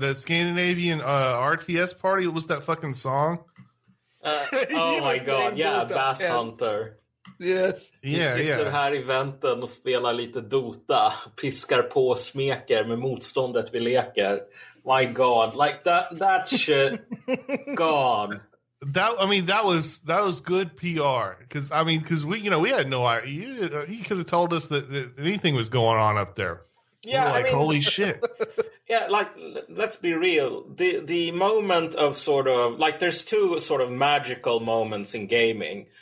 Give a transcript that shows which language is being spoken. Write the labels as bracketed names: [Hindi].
[English] The Scandinavian RTS party. What was that fucking song? my god! Yeah, Bass Hunter. Yes. Yeah, [Swedish] vi sitter här i väntan och spelar lite Dota, piskar på och smeker med motståndet vi leker. [English] My god, like that shit. God. That was good PR cuz we had no idea. He could have told us that anything was going on up there. Yeah, holy shit. Yeah, like let's be real. The moment of sort of like there's two sort of magical moments in gaming.